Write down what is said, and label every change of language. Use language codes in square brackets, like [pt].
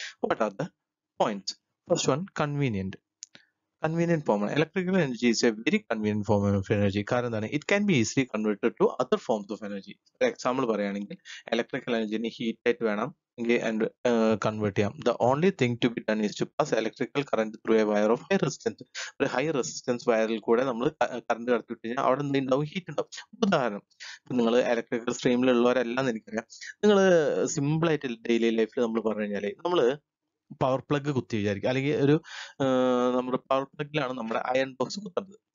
[en] What are the points? First one, convenient. Convenient form ആണ് electrical energy, is a very convenient form of energy. [ml] കാരണം എന്താണ്, [en] It can be easily converted to other forms of energy. [ml] Example പറയുകയാണെങ്കിൽ, electrical എനർജിന് heat ആയിട്ട് വേണം [en] and convert them. The only thing to be done is to pass electrical current through a wire of high resistance. [ml] ഒരു high resistance വയറിൽ കൂടെ നമ്മൾ current കടത്തി കഴിഞ്ഞാൽ അവിടെ എന്തുണ്ടാവും, ഹീറ്റ് ഉണ്ടാവും. ഉദാഹരണം, ഇപ്പൊ നിങ്ങൾ ഇലക്ട്രിക്കൽ സ്ട്രീമിലുള്ളവരെല്ലാം എനിക്കറിയാം. നിങ്ങൾ സിമ്പിൾ ആയിട്ട് ഡെയിലി ലൈഫിൽ നമ്മൾ പറഞ്ഞു കഴിഞ്ഞാൽ, നമ്മള് പവർ പ്ലഗ് കുത്തി വിചാരിക്കുക, അല്ലെങ്കിൽ ഒരു നമ്മുടെ പവർ പ്ലഗിലാണ് നമ്മുടെ അയൺ ബോക്സ് കുത്തുന്നത്.